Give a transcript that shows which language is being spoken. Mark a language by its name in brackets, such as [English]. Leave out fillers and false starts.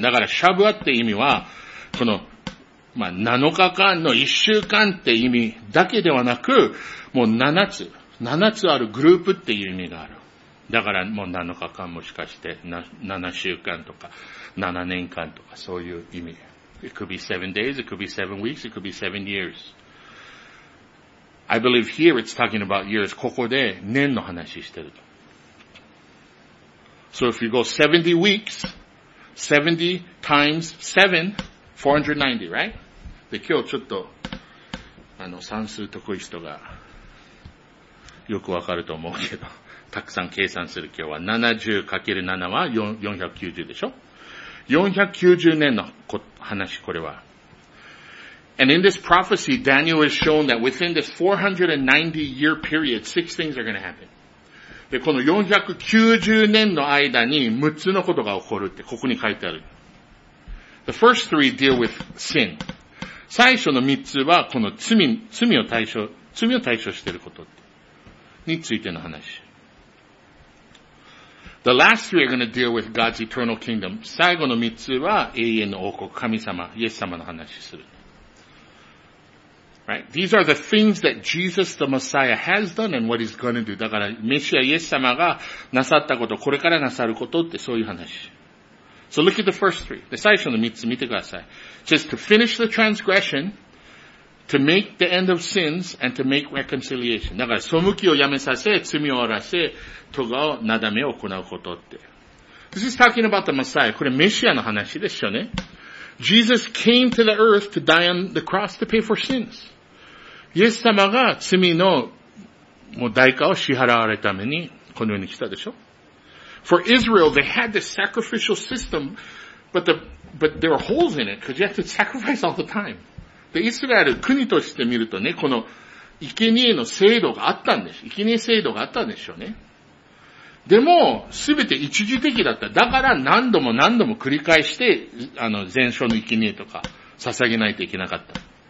[Japanese] だから、シャブアって意味は、この、まあ、7日間の1週間って意味だけではなく、もう7つあるグループっていう意味がある。だから、もう7日間もしかして、7週間とか、7年間とか、そういう意味。 [English] It could be 7 days, it could be 7 weeks, it could be 7 years. I believe here it's talking about years. [Japanese] ここで年の話してる。 [English] So if you go 70 weeks, 70 times 7, 490, right? [Japanese] で、今日ちょっと、算数得意人がよくわかると思うけど、たくさん計算する今日は 70×7 は490でしょ490年の話、これは。 [English] And in this prophecy, Daniel is shown that within this 490 year period, 6 things are going to happen. [Japanese] で、この490年の間に6つのことが起こるって、ここに書いてある。 [English] The first three deal with sin. [Japanese] 最初の3つは、この罪を対象していることについての話。 [English] The last three are going to deal with God's eternal kingdom. [Japanese] 最後の三つは永遠の王国、神様、イエス様の話する。 [English] Right? These are the things that Jesus the Messiah has done and what he's going to do. [Japanese] だから、メシア、イエス様がなさったこと、これからなさることってそういう話。 [English] So look at the first three. [Japanese] で、最初の三つ見てください。 [English] Just to finish the transgression, to make the end of sins, and to make reconciliation. [Japanese] だから、背きをやめさせ、罪を終わらせ、トガをなだめを行うことって。 [English] This is talking about the Messiah. [Japanese] これメシアの話ですよね。 [English] Jesus came to the earth to die on the cross to pay for sins. [Japanese] イエス様が罪のもう代価を支払われたためにこの世に来たでしょ。 [English] For Israel, they had this sacrificial system, but there were holes in it because you have to sacrifice all the time. [Japanese] で、イスラエル国として見るとね、この生贄の制度があったんです。生贄制度があったんでしょうね。でも、すべて一時的だった。だから何度も何度も繰り返して、全焼の生贄とか、捧げないといけなかった。